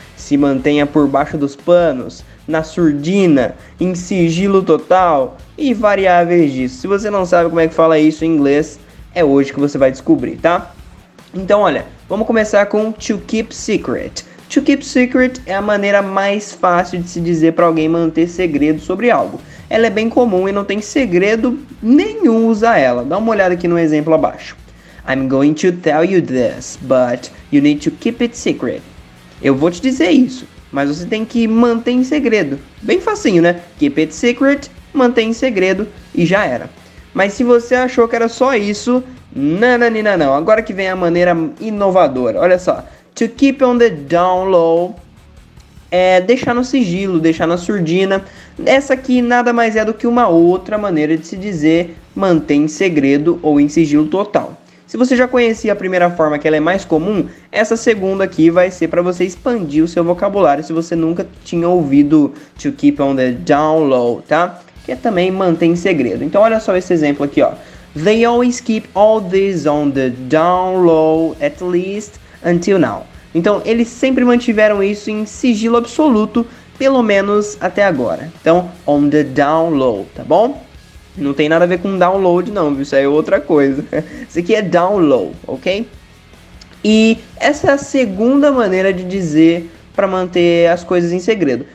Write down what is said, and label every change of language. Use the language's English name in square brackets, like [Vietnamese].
[Portuguese] Se mantenha por baixo dos panos, na surdina, em sigilo total e variáveis disso. Se você não sabe como é que fala isso em inglês, é hoje que você vai descobrir, tá? Então, olha, vamos começar com [English] to keep secret. To keep secret [Portuguese] é a maneira mais fácil de se dizer para alguém manter segredo sobre algo. Ela é bem comum e não tem segredo nenhum usar ela. Dá uma olhada aqui no exemplo abaixo. [English] I'm going to tell you this, but you need to keep it secret. [Portuguese] Eu vou te dizer isso, mas você tem que manter em segredo. Bem facinho, né? [English] Keep it secret, [Portuguese] mantém em segredo e já era. Mas se você achou que era só isso, nananina não. Agora que vem a maneira inovadora, olha só. [English] To keep on the down low [Portuguese] é deixar no sigilo, deixar na surdina. Essa aqui nada mais é do que uma outra maneira de se dizer mantém em segredo ou em sigilo total. Se você já conhecia a primeira forma, que ela é mais comum, essa segunda aqui vai ser para você expandir o seu vocabulário se você nunca tinha ouvido [English] to keep on the down low, [Portuguese] tá? Que é também manter em segredo. Então olha só esse exemplo aqui, ó. [English] They always keep all this on the down low at least until now. [Portuguese] Então eles sempre mantiveram isso em sigilo absoluto, pelo menos até agora. Então, [English] on the down low, [Portuguese] tá bom? Não tem nada a ver com download não, viu? Isso aí é outra coisa. Isso aqui é download, ok? E essa é a segunda maneira de dizer para manter as coisas em segredo.